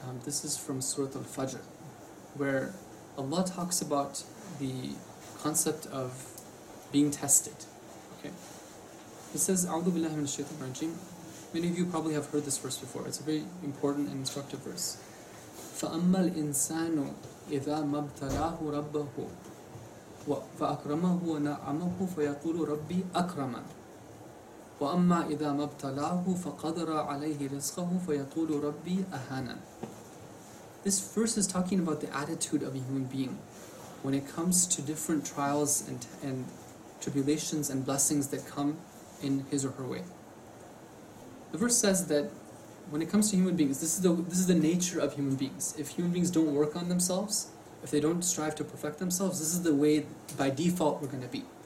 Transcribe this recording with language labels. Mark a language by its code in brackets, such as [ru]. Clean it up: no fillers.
[en] This is from Surah Al-Fajr, where Allah talks about the concept of being tested. Okay, it says, [ar] "A'udhu billahi minash shaitanir rajeem." [en] Many of you probably have heard this verse before. It's a very important and instructive verse. [ar] فَأَمَّا الْإِنسَانُ إِذَا مَبْتَلَاهُ رَبَّهُ وَفَأَكْرَمَهُ وَنَعَمَهُ فَيَقُولُ رَبِّي أَكْرَمَنِ وَأَمَّا إِذَا مَبْتَلَاهُ فَقَدَرَ عَلَيْهِ رِزْقَهُ فَيَقُولُ رَبِّي أَهَانَنِ. [en] This verse is talking about the attitude of a human being. when it comes to different trials and tribulations and blessings that come in his or her way. The verse says that when it comes to human beings, this is the nature of human beings. If human beings don't work on themselves, if they don't strive to perfect themselves, this is the way by default we're going to be.